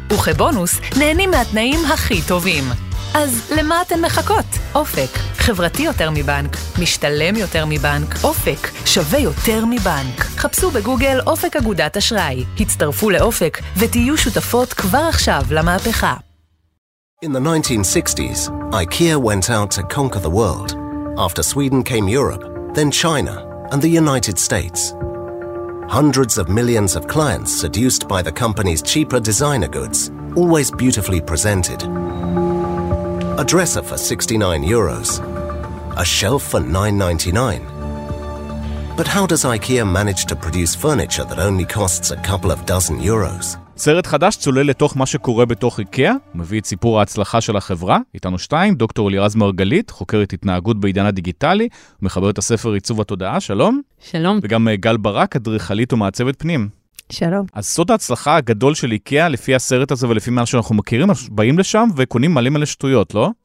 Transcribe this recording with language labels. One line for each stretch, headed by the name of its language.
Hebrew: וכבונוס נהנים מהתנאים הכי טובים. אז למה אתן מחכות? אופק, חברתי יותר מבנק, משתלם יותר מבנק, אופק שווה יותר מבנק. חפשו בגוגל אופק אגודת אשראי, הצטרפו לאופק ותהיו שותפות כבר עכשיו למהפכה.
English: In the 1960s, IKEA went out to conquer the world. After Sweden came Europe, then China and the United States. Hundreds of millions of clients seduced by the company's cheaper designer goods, always beautifully presented. A dresser for 69 euros. A shelf for 9.99. But how does IKEA manage to produce furniture that only costs a couple of dozen euros?
Hebrew: סרט חדש צולל לתוך מה שקורה בתוך איקאה, מביא את סיפור ההצלחה של החברה. איתנו שתיים, דוקטור לירז מרגלית, חוקרת התנהגות בעידן הדיגיטלי, מחברת הספר עיצוב התודעה, שלום. שלום. וגם גל ברק, אדריכלית ומעצבת פנים. שלום. אז סוד ההצלחה הגדול של איקאה, לפי הסרט הזה ולפי מה שאנחנו מכירים, באים לשם וקונים מלא מלא שטויות, לא?